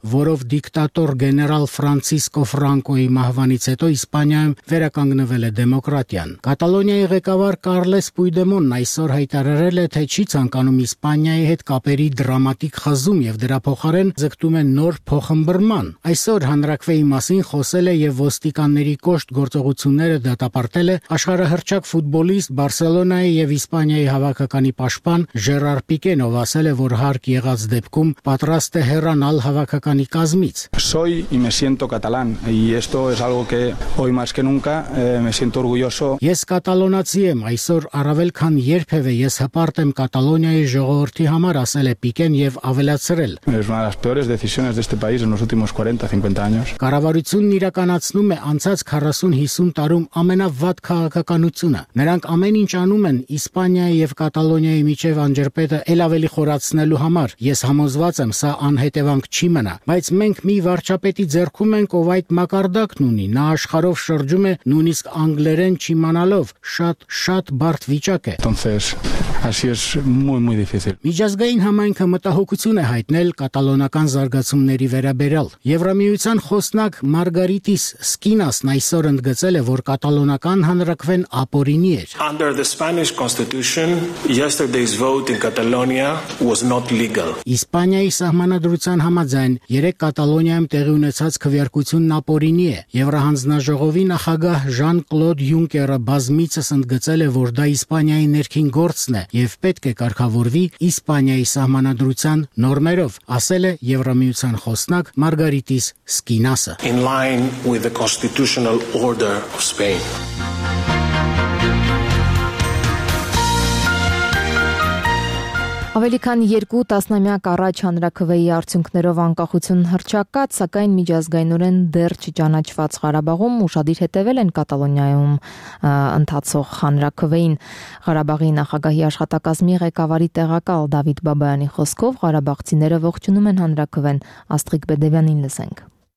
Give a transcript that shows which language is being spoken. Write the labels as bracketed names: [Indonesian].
[Armenian] որով դիկտատոր գեներալ Ֆրանցիսկո Ֆրանկոյի մահվանից հետո Իսպանիայում վերականգնվել է դեմոկրատիան։ Կատալոնիայի ղեկավար Կարլես Պուիդեմոնն այսօր հայտարարել է, թե չի ցանկանում Իսպանիայի հետ կապերի դրամատիկ խզում եւ դրա փոխարեն ձգտում է նոր փոխմբռնման։ Այսօր հանրակրթվեի մասին խոսել է եւ ոստիկանների կոշտ գործողությունները դատապարտել է աշխարհահռչակ ֆուտբոլիստ Բարսելոնայի եւ Իսպանիայի հավաքականի պաշտպան Ժերար Պիկեն, ով ասել է, որ հարկ եղած դեպքում պատրաստ է հեռանալ հավաքականի կազմից։ [Spanish] Soy y me siento catalán y esto es algo que hoy más que nunca me siento orgulloso. [Armenian] Ես կատալոնացի եմ, այսօր առավել քան երբևէ ես հպարտ եմ Կատալոնիայի ժողովրդի համար, ասել է Պիկեն եւ ավելացրել. [Spanish] Es una de las peores decisiones de este país en los últimos 40-50 años. [Armenian] Կառավարությունն իրականացնում է անցած 40-50 տարում ամենավատ քաղաքականությունը։ Նրանք ամեն ինչ անում են Իսպանիայի եւ Կատալոնիայի միջև անջրպետը ել ավելի խորացնելու համար։ Ես համոզված եմ, սա անհետևանք չի մնա, բայց մենք մի վարչապետի ձեռքում ենք, ով այդ մակարդակն ունի, նա աշխարհով շրջում է, նույնիսկ անգլերեն չիմանալով, շատ բարդ վիճակ է։ [Spanish] Entonces, así es muy muy difícil. [Armenian] Միջազգային համայնքը մտահոգություն է հայտնել կատալոնական զարգացումների վերաբերյալ։ Եվրամիության խոսնակ Մարգարիտիս Սկինասն այսօր ընդգծել է, որ կատալոնական հանրակրթվեն ապօրինի էր։ [English] Under the Spanish Constitution, yesterday's vote in Catalonia was not legal. [Armenian] Իսպանիայի սահմանադրության համաձայն 3 Կատալոնիայում տեղի ունեցած քվեարկությունն ապօրինի է։ Եվրահանձնաժողովի նախագահ Ժան-Կլոդ Յունկերը բազմիցս ընդգծել է, որ դա Իսպանիայի ներքին գործն է եւ պետք է կարգավորվի Իսպանիայի սահմանադրության նորմերով, ասել է Եվրամիության խոսնակ Մարգարիտիս Սկինասը։ [English] In line with the constitutional order of Spain. [Armenian] Ավելի քան 2 տասնամյակ առաջ հանրաքվեի արդյունքներով անկախություն հռչակած, սակայն միջազգայնորեն դեռ չճանաչված Ղարաբաղում ուշադիր հետևել են Կատալոնիայում ընթացող հանրաքվեին։ Ղարաբաղի նախագահի աշխատակազմի ղեկավարի տեղակալ Դավիթ Բաբայանի խոսքով Ղարաբաղցիները ողջունում են հանրաքվեն։ Աստղիկ Բեդևյանին լսենք։